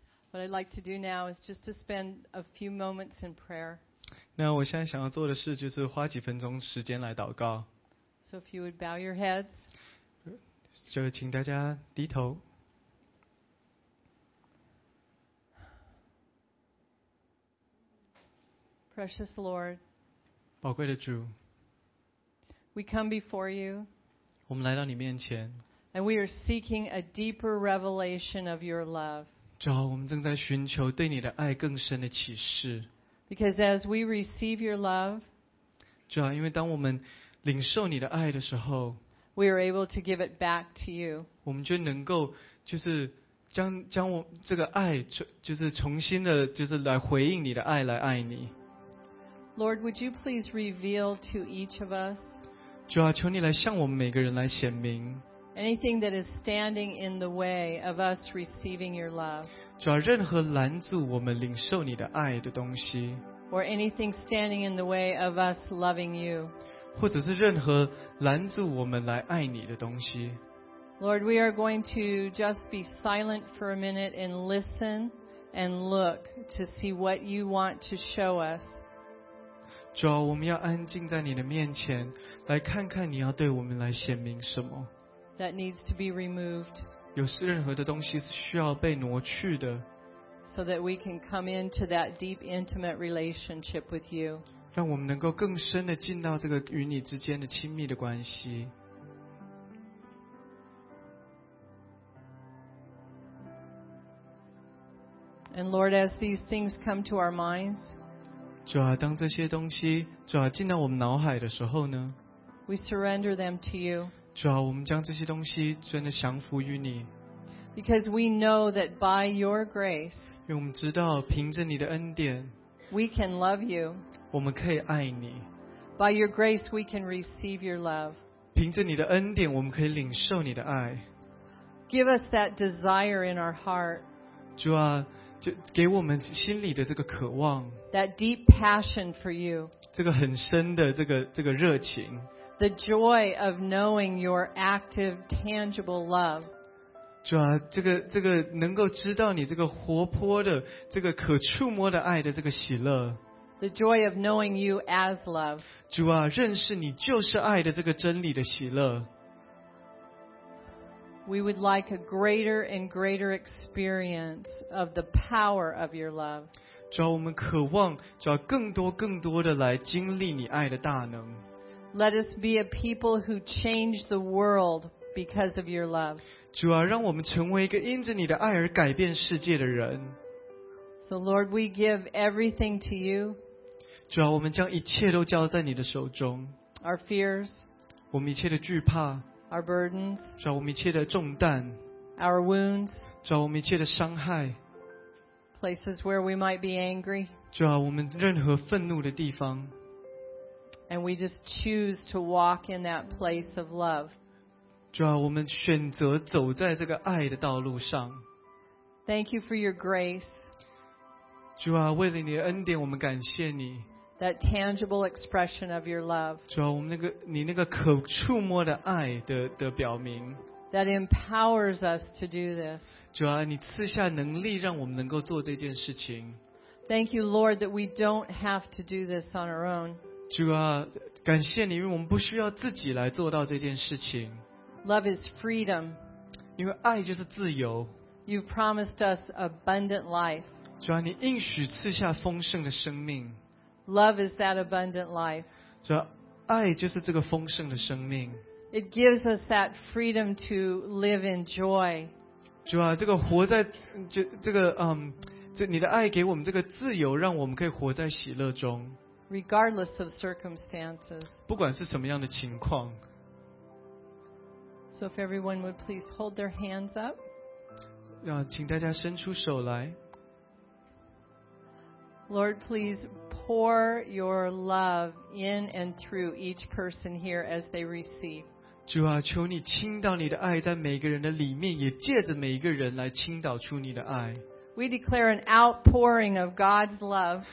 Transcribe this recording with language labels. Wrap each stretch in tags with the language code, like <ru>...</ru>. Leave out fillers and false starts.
<en>What I'd like to do now is just to spend a few moments in prayer.</en> <zh>那我现在想要做的事就是花几分钟时间来祷告。</zh> <en>So if you would bow your heads.</en> <zh>就请大家低头。</zh> <en>Precious Lord.</en> <zh>宝贵的主。</zh> <en>We come before you.</en> <zh>我们来到你面前。</zh> <en>And we are seeking a deeper revelation of your love.</en> <zh>主啊，我们正在寻求对你的爱更深的启示。</zh> <en>Because as we receive your love,</en> <zh>主啊，因为当我们领受你的爱的时候，</zh> <en>we are able to give it back to you.</en> <zh>我们就能够就是将我这个爱就是重新的就是来回应你的爱，来爱你。</zh> <en>Lord, would you please reveal to each of us?</en> <zh>主啊，求你来向我们每个人来显明。</zh> <en>Anything that is standing in the way of us receiving your love.</en> <zh>主啊，任何拦阻我们领受你的爱的东西。</zh> <en>Or anything standing in the way of us loving you.</en> <zh>或者是任何拦阻我们来爱你的东西。</zh> <en>Lord, we are going to just be silent for a minute and listen. and look to see what you want to show us.</en> <zh>主啊，我们要安静在你的面前，来看看你要对我们来显明什么。</zh> <en>That needs to be removed.</en> <zh>有是任何的东西是需要被挪去的。</zh> <en>So that we can come into that deep, intimate relationship with you.</en> <zh>让我们能够更深的进到这个与你之间的亲密的关系。</zh> <en>And Lord, as these things come to our minds,</en> <zh>主啊，当这些东西主啊进到我们脑海的时候呢</zh> <en>，We surrender them to you.</en> <zh>主啊，我们将这些东西真的降服于你。</zh> <en>Because we know that by your grace,</en> <zh>因为我们知道凭着你的恩典</zh> <en>，We can love you.</en> <zh>我们可以爱你。</zh> <en>By your grace, we can receive your love.</en> <zh>凭着你的恩典，我们可以领受你的爱。</zh> <en>Give us that desire in our heart.</en> <zh>主啊。就给我们心里的这个渴望</zh> <en>，that deep passion for you，</en> <zh>这个很深的这个热情</zh> <en>，the joy of knowing your active tangible love，</en> <zh>主啊，这个能够知道你这个活泼的这个可触摸的爱的这个喜乐</zh> <en>，the joy of knowing you as love，</en> <zh>主啊，认识你就是爱的这个真理的喜乐。</zh> <en>We would like a greater and greater experience of the power of your love.</en> <zh>主啊，我们渴望主啊更多更多的来经历你爱的大能。</zh> <en>Let us be a people who change the world because of your love.</en> <zh>主啊，让我们成为一个因着你的爱而改变世界的人。</zh> <en>So Lord, we give everything to you.</en> <zh>主啊，我们将一切都交在你的手中。</zh> <en>Our fears.</en> <zh>我们一切的惧怕。</zh> <en>Our burdens,</en> <zh>主啊，我们一切的重担</zh> <en>；Our wounds,</en> <zh>主啊，我们一切的伤害</zh> <en>；Places where we might be angry,</en> <zh>主啊，我们任何愤怒的地方</zh> <en>；And we just choose to walk in that place of love,</en> <zh>主啊，我们选择走在这个爱的道路上</zh> <en>；Thank you for your grace,</en> <zh>主啊，为了你的恩典，我们感谢你。</zh> <en>That tangible expression of your love.</en> <zh>主啊，我们你那个可触摸的爱的表明。</zh> <en>That empowers us to do this.</en> <zh>主啊，你赐下能力让我们能够做这件事情。</zh> <en>Thank you, Lord, that we don't have to do this on our own.</en> <zh>主啊，感谢你，因为我们不需要自己来做到这件事情。</zh> <en>Love is freedom.</en> <zh>因为爱就是自由。</zh> <en>You've promised us abundant life.</en> <zh>主啊，你应许赐下丰盛的生命。</zh> <en>Love is that abundant life.</en> <zh>主啊，爱就是这个丰盛的生命。</zh> <en>It gives us that freedom to live in joy.</en> <zh>主啊，这个活在这你的爱给我们这个自由，让我们可以活在喜乐中。</zh> <en>Regardless of circumstances.</en> <zh>不管是什么样的情况。</zh> <en>So if everyone would please hold their hands up.</en> <zh>啊，请大家伸出手来。</zh> <en>Lord, please pour your love in and through each person here as they receive.</en> <zh>主啊，求你倾倒你的爱在每个人的里面，也借着每一个人来倾倒出你的爱。</zh> <en>We declare an outpouring of God's love.</en>